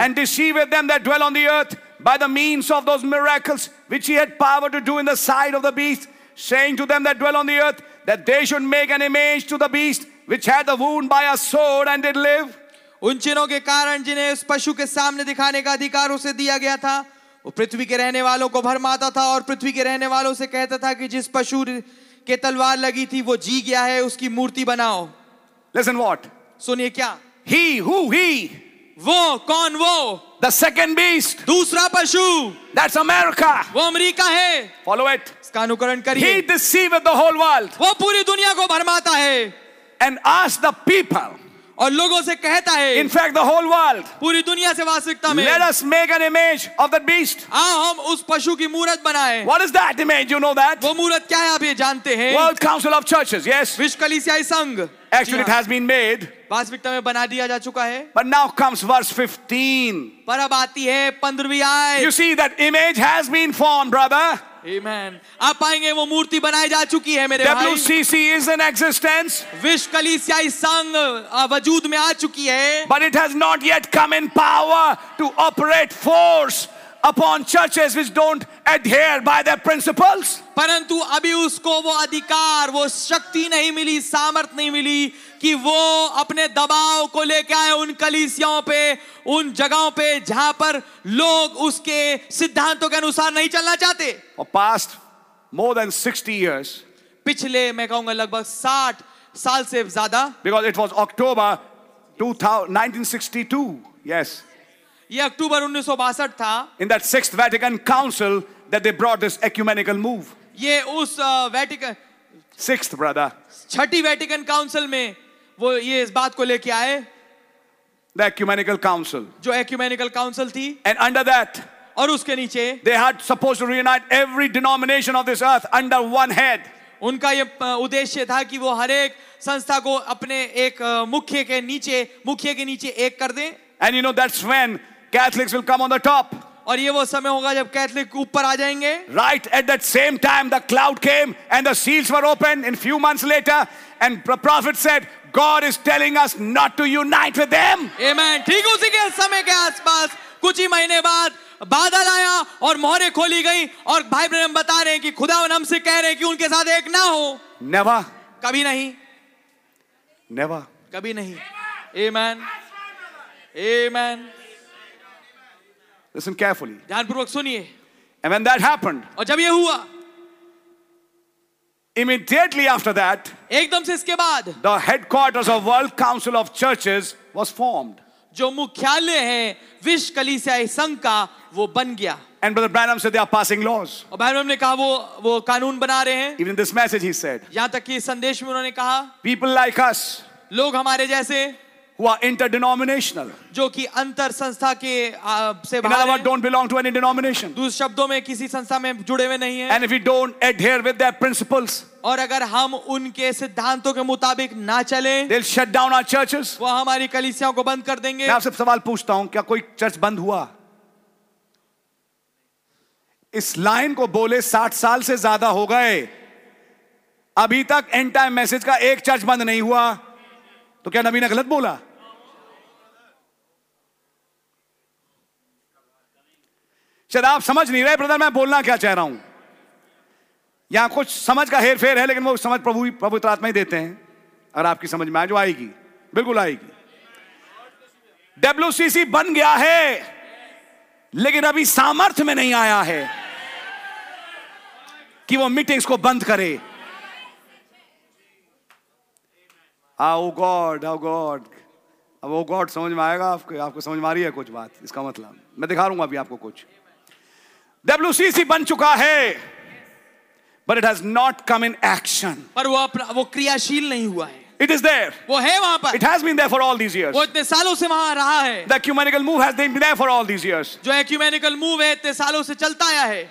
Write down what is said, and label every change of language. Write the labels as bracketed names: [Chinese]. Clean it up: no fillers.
[English] And deceived them that dwell on the earth by the means of those miracles which he had power to do in the sight of the beast, saying to them that dwell on the earth that they should make an image to the beast which had the wound by a sword and did live. [Hindi] उन चिन्हों के कारण जिन्हें उस पशु के सामने दिखाने का अधिकार उसे दिया गया था, वो पृथ्वी के रहने वालों को भरमाता था और पृथ्वी के रहने वालों से कहता था कि जिस पशु के तलवार लगी थी वो जी गया है, उसकी मूर्ति बनाओ. [English] Listen what? [Hindi] सुनिए क्या? [English] He, who he? [Hindi] वो कौन वो? [English] The second beast. [Hindi] दूसरा पशु. [English] That's America. [Hindi] वो अमेरिका है. [English] Follow it. [Hindi] इसका अनुकरण करिए. [English] He deceived the whole world. [Hindi] वो पूरी दुनिया को भरमाता है. [English] And ask the people. [Hindi] और लोगों से कहता है. [English] In fact, the whole world. [Hindi] पूरी दुनिया से वास्तविकता में. [English] Let us make an image of that beast. [Hindi] हाँ, हम उस पशु की मूरत बनाएं. [English] What is that image? You know that? [Hindi] वो मूरत क्या है? आप ये जानते हैं? [English] World Council of Churches. Yes. [Hindi] विश्व कलीसियाई संघ. [English] Actually, it has been made. [Hindi] वास्तविकता में बना दिया जा चुका है. [English] But now comes verse 15. [Hindi] पर अब आती है 15वीं आयत. [English] You see that image has been formed, brother. Amen. [Hindi] आप पाएंगे वो मूर्ति बनाई जा चुकी है मेरे भाई. [English] WCC is in existence. [Hindi] विश्व कलीसियाई संघ वजूद में आ चुकी है. [English] But it has not yet come in power to operate force upon churches which don't adhere by their principles. [Hindi] परंतु अभी उसको वो अधिकार, वो शक्ति नहीं मिली, सामर्थ नहीं मिली कि वो अपने दबाव को लेकर आए उन कलीसियाओं पे, उन जगहों पे जहाँ पर लोग उसके सिद्धांतों के अनुसार नहीं चलना चाहते. [English] For past more than 60 years. [Hindi] पिछले मैं कहूँगा लगभग 60 साल से ज़्यादा. [English] Because it was October 1962. Yes. [Hindi] ये अक्टूबर 1962 था. [English] In that sixth Vatican Council that they brought this ecumenical move. [Hindi] ये उस वेटिकन [English] sixth brother. [Hindi] छठी वेटिकन काउंसिल में वो ये इस बात को लेके आए. [English] The ecumenical council. [Hindi] जो ecumenical council थी. [English] And under that. [Hindi] और उसके नीचे. [English] They had supposed to reunite every denomination of this earth under one head. [Hindi] उनका ये उद्देश्य था कि वो हर एक संस्था को अपने एक मुख्य के नीचे एक कर दें. [English] And you know that's when Catholics will come on the top. [Hindi] और ये वो समय होगा जब कैथलिक ऊपर आ जाएंगे. [English] Right at that same time the cloud came and the seals were opened in few months later and the prophet said God is telling us not to unite with them. Amen. [Hindi] ठीक उसी के समय के आसपास कुछ ही महीने बाद बादल आया और मोहरें खोली गई और भाई ब्रह्म बता रहे हैं कि खुदा उन हमसे कह रहे हैं कि उनके साथ एक ना हो. [English] Never. [Hindi] कभी नहीं. [English] Never. [Hindi] कभी नहीं. Amen. Amen. [English] Listen carefully. [Hindi] ध्यानपूर्वक सुनिए. [English] And when that happened, [Hindi] और जब ये हुआ, [English] immediately after that, [Hindi] एकदम से इसके बाद, [English] the headquarters of World Council of Churches was formed. [Hindi] जो मुख्यालय है विश्व कलीसियाई संघ का वो बन गया. [English] And Brother Branham said they are passing laws. [Hindi] और भाई ब्रैनम ने कहा वो कानून बना रहे हैं. [English] Even this message he said. [Hindi] यहाँ तक कि संदेश में उन्होंने कहा, [English] people like us, [Hindi] लोग हमारे जैसे. [English] Who are interdenominational? [Hindi] जो कि अंतर संस्था के से बाहर. [English] In other words, don't belong to any denomination. [Hindi] दूसरे शब्दों में किसी संस्था में जुड़े हुए नहीं हैं. [English] And if we don't adhere with their principles, [Hindi] और अगर हम उनके सिद्धांतों के मुताबिक ना चलें, [English] they'll shut down our churches. [Hindi] वो हमारी कलीसियाओं को बंद कर देंगे. मैं आपसे सवाल पूछता हूँ, क्या कोई चर्च बंद हुआ? इस लाइन को बोले 60 साल से ज्यादा हो गए, अभी तक एंड टाइम मैसेज का एक चर्च बंद नहीं हुआ. तो क्या नबी ने गलत बोला? चल आप समझ नहीं रहे ब्रदर, मैं बोलना क्या चाह रहा हूं. यहां कुछ समझ का हेर फेर है, लेकिन वो समझ प्रभु पवित्र आत्मा ही देते हैं. अगर आपकी समझ में आए जो आएगी, बिल्कुल आएगी. WCC बन गया है लेकिन अभी सामर्थ्य में नहीं आया है कि वो मीटिंग्स को बंद करे. [English] Oh God, [Hindi] समझ में आएगा आपको? आपको समझ में आ रही है कुछ बात? इसका मतलब मैं दिखा रूंगा अभी आपको कुछ. WCC बन चुका है, [English] but it has not come in action. [Hindi] पर वो क्रियाशील नहीं हुआ है. [English] It is there. [Hindi] वो है वहाँ पर. [English] It has been there for all these years. [Hindi] वो इतने सालों से वहाँ रहा है. [English] The ecumenical move has been there for all these years. [Hindi] जो ecumenical move है इतने सालों से चलता आया है.